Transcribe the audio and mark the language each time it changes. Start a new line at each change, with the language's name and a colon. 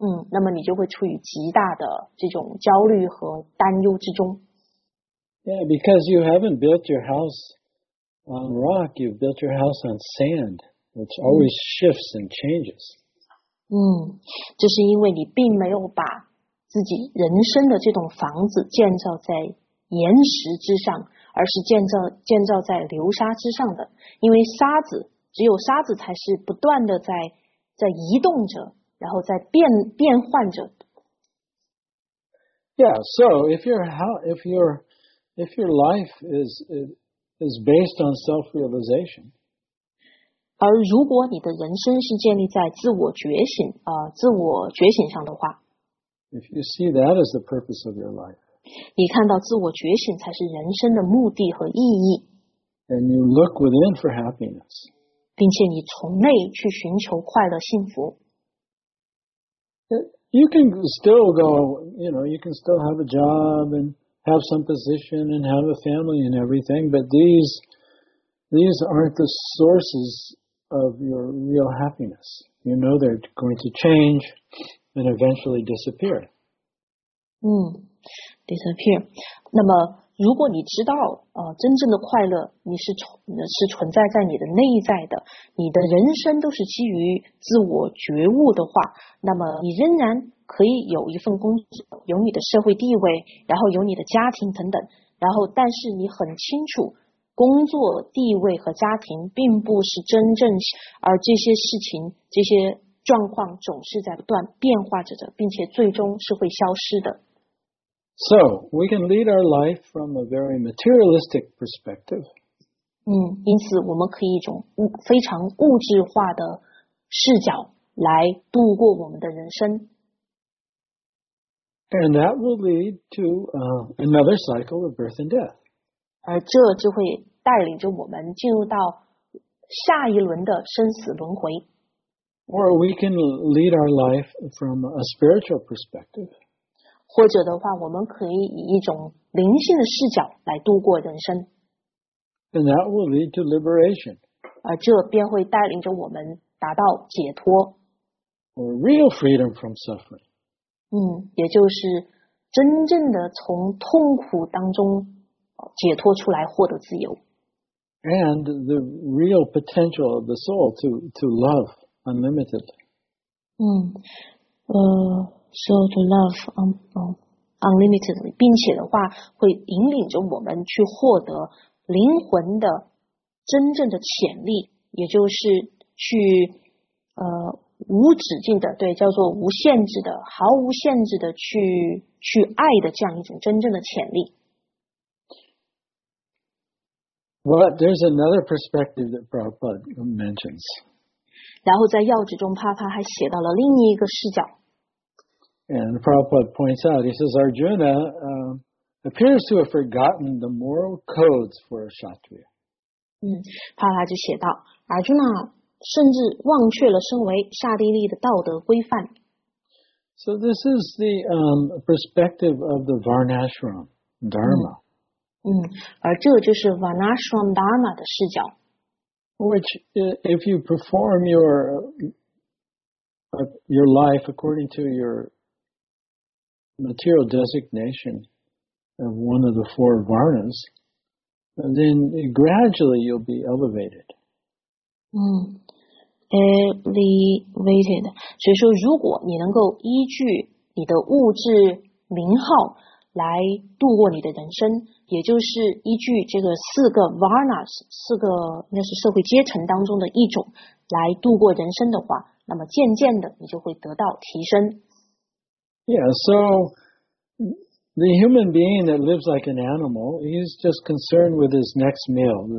Chinese: 那么你就会处于极大的这种焦虑和担忧之中。
English: Yeah, because you haven't built your house on rock, you've built your house on sand, which always shifts and changes.
Chinese: 就是因为你并没有把自己人生的这栋房子建造在岩石之上，而是建造在流沙之上的。因为沙子，只有沙子才是不断的在移动着。然后再变换着。
English: Yeah, so if your life is based on self-realization,
Chinese: 而如果你的人生是建立在自我觉醒自我觉醒上的话
English: ，if you see that as the purpose of your life,
Chinese: 你看到自我觉醒才是人生的目的和意义
English: ，and you look within for happiness,
Chinese: 并且你从内去寻求快乐幸福。
English: You can still go, you know, you can still have a job and have some position and have a family and everything, but these aren't the sources of your real happiness. You know they're going to change and eventually disappear. Disappear.
Chinese: 那么如果你知道真正的快乐你是存在在你的内在的，你的人生都是基于自我觉悟的话，那么你仍然可以有一份工作，有你的社会地位，然后有你的家庭等等，然后但是你很清楚工作地位和家庭并不是真正，而这些事情这些状况总是在不断变化着的，并且最终是会消失的。
English: So, we can lead our life from a very materialistic perspective.
Chinese: 因此我们可以一种非常物质化的视角来度过我们的人生。
English: And that will lead to another cycle of birth and death.
Chinese: 而这就会带领着我们进入到下一轮的生死轮回。
English: Or we can lead our life from a spiritual perspective.
Chinese: 或者的话，我们可以以一种灵性的视角来度过人生。
English: And that will lead to liberation.
Chinese: 而这便会带领着我们达到解脱。
English: Or real freedom from suffering.
Chinese: 也就是真正的从痛苦当中解脱出来，获得自由。
English: And the real potential of the soul to love unlimited. So to love unlimitedly,
Chinese: 并且的话会引领着我们去获得灵魂的真正的潜力，也就是去无止境的，对，叫做无限制的，毫无限制的去爱的这样一种真正的潜力。
English: But there's another perspective that Prabhupada mentions.
Chinese: 然后在要旨中，帕帕还写到了另一个视角。
English: And Prabhupada points out, he says, Arjuna appears to have forgotten the moral codes for a kshatriya.
Chinese: 帕帕就写到，阿朱那甚至忘却了身为夏地利的道德规范。
English: So this is the perspective of the Varnashram Dharma.
Chinese: 而这就是 Varnashram Dharma 的视角。
English: Which, if you perform your life according to your material designation of one of the four Varnas, then gradually you'll be elevated. Elevated.
Chinese: 所以说，如果你能够依据你的物质名号来度过你的人生，也就是依据这个四个 Varnas, 四个那是社会阶层当中的一种来度过人生的话，那么渐渐的你就会得到提升。
English: Yeah, so the human being that lives like an animal, he's just concerned with his next meal.